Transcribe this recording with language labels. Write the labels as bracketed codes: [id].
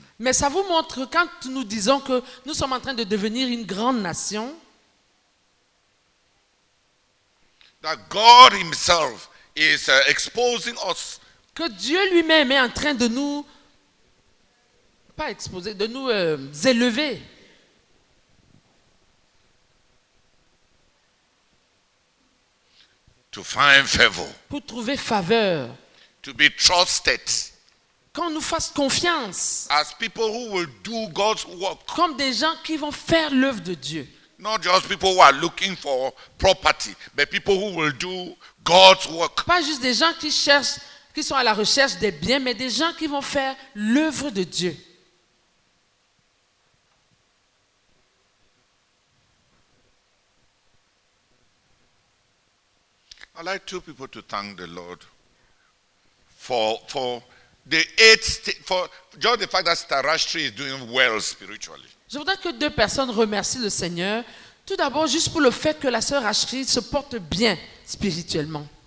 [fr] Mais ça vous montre quand nous disons que nous sommes en train de devenir une grande nation. [en] That God himself is exposing us. [fr] Que Dieu lui-même est en train de nous pas exposer, de nous élever. [en] To find favor. [fr] Pour trouver faveur. [en] To be trusted. [fr] Qu'on nous fasse confiance. [en] As people who will do God's work. [fr] Comme des gens qui vont faire l'œuvre de Dieu. [en] Not just people who are looking for property, but people who will do God's work. [fr] Pas juste des gens qui cherchent, qui sont à la recherche des biens, mais des gens qui vont faire l'œuvre de Dieu. [en] I'd like two people to thank the Lord for the eight for just the fact that Starashtri is doing well spiritually. [fr] Je voudrais que deux personnes remercient le Seigneur. Tout d'abord, juste pour le fait que la sœur Ashri se porte bien spirituellement.